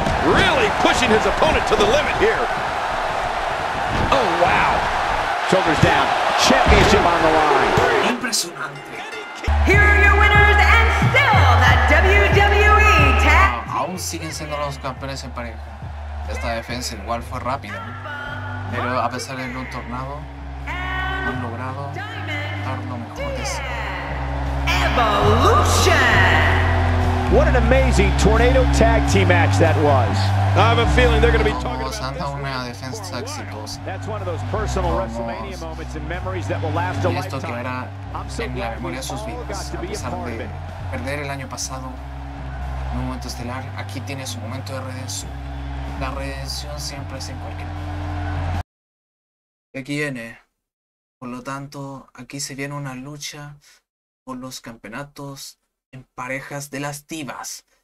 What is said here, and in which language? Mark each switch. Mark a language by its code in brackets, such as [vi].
[en] Really pushing his opponent to the limit here. Oh, wow. Shoulders down. Championship on the line. Here are your winners, and still the WWE Tag. [es] Aún siguen siendo los campeones en pareja. Esta defensa igual fue rápida, pero a pesar de un tornado, han logrado dar lo mejor de sí. [en] Evolution. What an amazing tornado tag team match that was. I have a feeling they're going to be talking about [es] Santa, una defensa exitosa. [en] That's one of those personal WrestleMania moments and memories that will last a lifetime. [es] Y esto quedará en la memoria de sus vidas. A pesar de perder el año pasado en un momento estelar, aquí tiene su momento de redención. La redención siempre es en cualquier momento. Aquí viene. Por lo tanto, aquí se viene una lucha por los campeonatos en parejas de las divas.